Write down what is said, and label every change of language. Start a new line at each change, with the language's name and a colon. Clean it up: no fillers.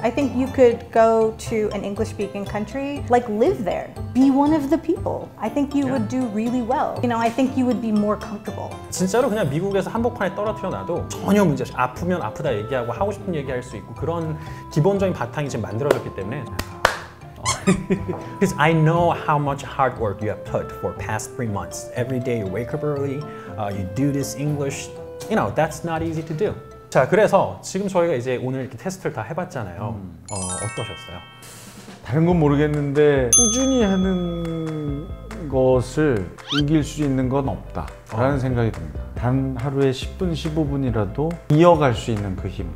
English: I think you could go to an English-speaking country, like live there, be one of the people. I think you would do really well. You know, I think you would be more comfortable.
Korean: 진짜로 그냥 미국에서 한복판에 떨어뜨려 놔도 전혀 문제 없이 아프면 아프다 얘기하고 하고 싶은 얘기할 수 있고 그런 기본적인 바탕이 지금 만들어졌기 때문에
English: Because I know how much hard work you have put for past 3 months. Every day you wake up early, you do this English. You know, that's not easy to do.
Korean: 자, 그래서 지금 저희가 이제 오늘 이렇게 테스트를 다 해봤잖아요. 어떠셨어요? 다른 건 모르겠는데 꾸준히 하는 것을 이길 수 있는 건 없다라는 생각이 듭니다. 단 하루에 10분, 15분이라도 이어갈 수 있는 그 힘.